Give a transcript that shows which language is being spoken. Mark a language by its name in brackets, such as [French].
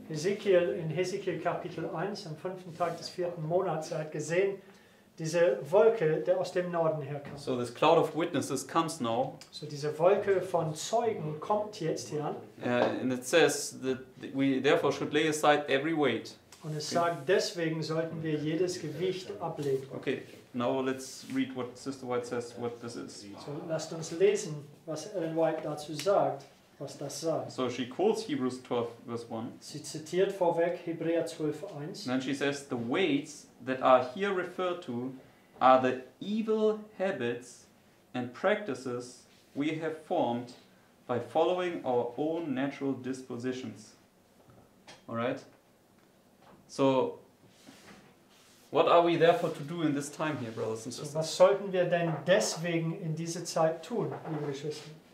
[German] Ezekiel, in Ezekiel Kapitel 1, am fünften Tag des vierten Monats, er hat gesehen, diese Wolke, der aus dem Norden herkam. [English] So this cloud of witnesses comes now. [German] So diese Wolke von Zeugen kommt jetzt hier an. [English] And it says that we therefore should lay aside every weight. [German] Und es sagt, deswegen sollten wir jedes Gewicht ablegen. [English] Okay. Now let's read what Sister White says, what this is. [German] So lasst uns lesen, was Ellen White dazu sagt, was das sagt. [English] So she quotes Hebrews 12, verse 1. [German] Sie zitiert vorweg Hebräer 12, 1. [English] Then she says, the weights that are here referred to are the evil habits and practices we have formed by following our own natural dispositions. Alright? So, What are we therefore to do in this time here, brothers and sisters? [German] So was sollten wir denn deswegen in dieser Zeit tun, liebe Geschwister?